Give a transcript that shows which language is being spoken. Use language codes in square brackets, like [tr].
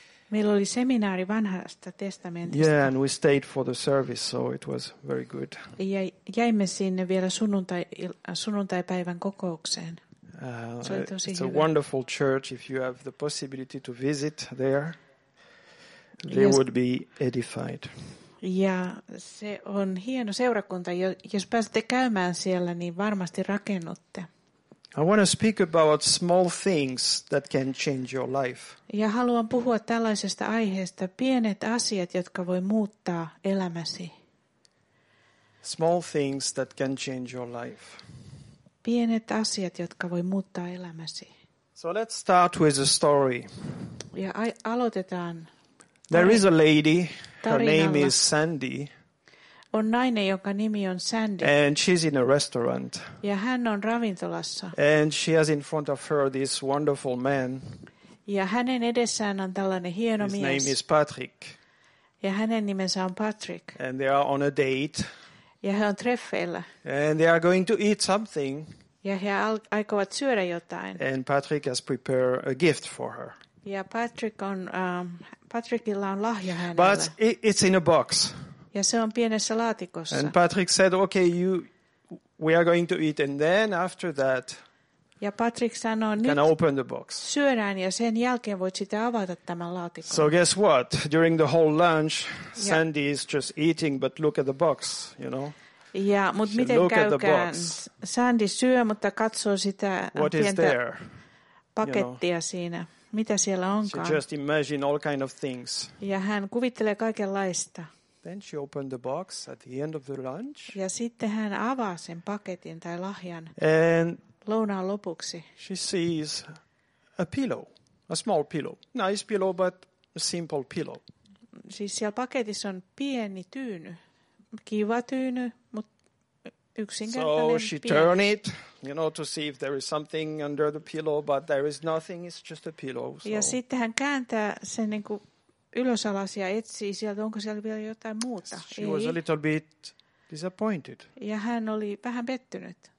[fi] meillä oli seminaari Vanhasta testamentista. [en] Yeah, and we stayed for the service, so it was very good. [fi] Ja jäimme sinne vielä sunnuntaipäivän kokoukseen. [en] It's [fi] hyvä. [en] A wonderful church. If you have the possibility to visit there, they would be edified. [fi] Ja se on hieno seurakunta. Jos pääsette käymään siellä, niin varmasti rakennutte. [en] I want to speak about small things that can change your life. [fi] Ja haluan puhua tällaisesta aiheesta, pienet asiat, jotka voi muuttaa elämäsi. [en] Small things that can change your life. [fi] Pienet asiat, jotka voi muuttaa elämäsi. [en] So let's start with a story. [fi] Ja aloitetaan. [en] There is a lady, [fi] tarinalla. [en] Her name is Sandy. [fi] On nainen, jonka nimi on Sandy. [en] And she's in a restaurant. [fi] Ja hän on ravintolassa. [en] And she has in front of her this wonderful man. [fi] Ja hänen edessään on tällainen hieno [en] his [fi] mies. [en] His name is Patrick. [fi] Ja hänen nimensä on Patrick. [en] And they are on a date. [fi] Ja he on treffeillä. [en] And they are going to eat something. [fi] Ja he aikovat syödä jotain. [en] And Patrick has prepared a gift for her. [fi] Ja Patrick on Patrickilla on lahja hänelle. [en] But it's in a box. [fi] Ja se on pienessä laatikossa. [en] And Patrick said, okay, we are going to eat and then after that. [fi] Ja Patrick sanoo, [en] can I open the box? [fi] Syödään ja sen jälkeen voit sitä avata tämän laatikon. [en] So guess what? During the whole lunch, Sandy is just eating but look at the box, you know? [fi] Ja mut miten käykään? Sandy syö mutta katsoo sitä [en] what [fi] pientä [en] is there? [fi] Pakettia [en] you know? [fi] Siinä. Mitä siellä onkaan? [en] So just imagine all kind of things. [fi] Ja hän kuvittelee kaikenlaista. [en] Then she opened the box at the end of the lunch. [fi] Ja sitten hän avaa sen paketin tai lahjan. [en] And [fi] lounaan lopuksi. [en] She sees a pillow, a small pillow. Nice pillow but a simple pillow. [fi] Siis siellä paketissa on pieni tyyny. Kiva tyyny, mut yksinkertainen [en] pillow. So she turned it, you know, to see if there is something under the pillow, but there is nothing, it's just a pillow. So. [fi] Ja sitten hän kääntää sen niinku ylösalas ja etsii sieltä, onko siellä vielä jotain muuta. [en] She was a little bit disappointed. [fi] Ja hän oli vähän pettynyt.